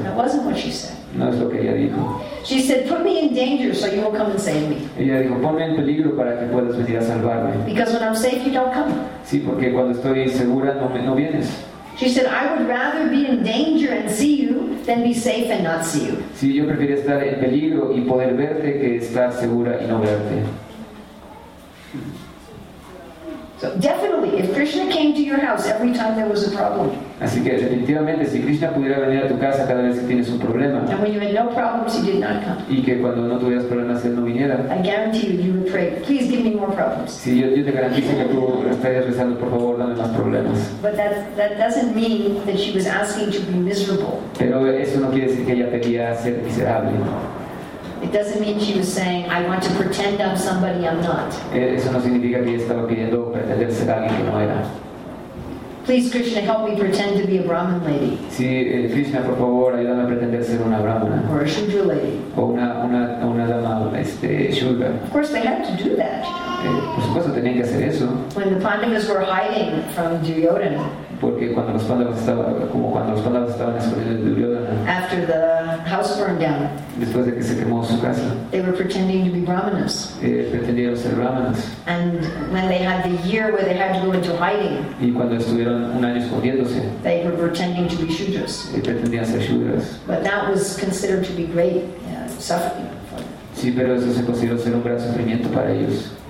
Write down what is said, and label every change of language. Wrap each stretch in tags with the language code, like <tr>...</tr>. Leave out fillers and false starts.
<en>That wasn't what she said.</en> <es>No es lo que ella dijo.</es> <en>She said, put me in danger so you will come and save me.</en> <es>Ella dijo, ponme en peligro para que puedas venir a salvarme.</es> <en>Because when I'm safe, you don't come.</en> <es>Sí, porque cuando estoy segura, no vienes.</es> <en>She said, I would rather be in danger and see you than be safe and not see you.</en> <es>Sí, yo prefiero estar en peligro y poder verte que estar segura y no verte.</es> <en>So definitely, if Krishna came to your house every time there was a problem.</en> <es>Así que definitivamente, si Krishna pudiera venir a tu casa cada vez que tienes un problema.</es> <en>And when you had no problems, he did not come.</en> <es>Y que cuando no tuvieras problemas él no viniera.</es> <en>I guarantee you, you would pray, please give me more problems.</en> <es>Sí, yo te garantizo que tú estarías rezando, por favor, dame más problemas.</es> <en>But that doesn't mean that she was asking to be miserable.</en> <es>Pero eso no quiere decir que ella pedía ser miserable.</es> <en>It doesn't mean she was saying, I want to pretend I'm somebody I'm not.</en> <es>Eso no significa que ella estaba pidiendo pretender ser alguien que no era.</es> <en>Please, Krishna, help me pretend to be a Brahmin lady.</en> <es>Sí, Krishna, por favor, ayúdame a pretender ser una Brahmana.</es> <en>Or a Shudra lady.</en> <es>O una dama, Shudra.</es> <en>Of course, they had to do that.</en> <es>Por supuesto, tenían que hacer eso.</es> <en>When the Pandavas were hiding from Duryodhana.</en> <es>Porque cuando los Pandavas estaban escondidos de Duryodhana.</es> <en>After the house burned down.</en> <es>Después de que se quemó su casa.</es> <en>They were pretending to be Brahmanas.</en> <es>Pretendieron ser Brahmanas.</es> <en>And when they had the year where they had to go into hiding.</en> <es>Y cuando estuvieron un año escondiéndose.</es> <en>They were pretending to be Shudras.</en> <es>Pretendían ser Shudras.</es> <en>But that was considered to be great suffering.</en> <es>Sí, pero eso se consideró ser un gran sufrimiento para ellos.</es>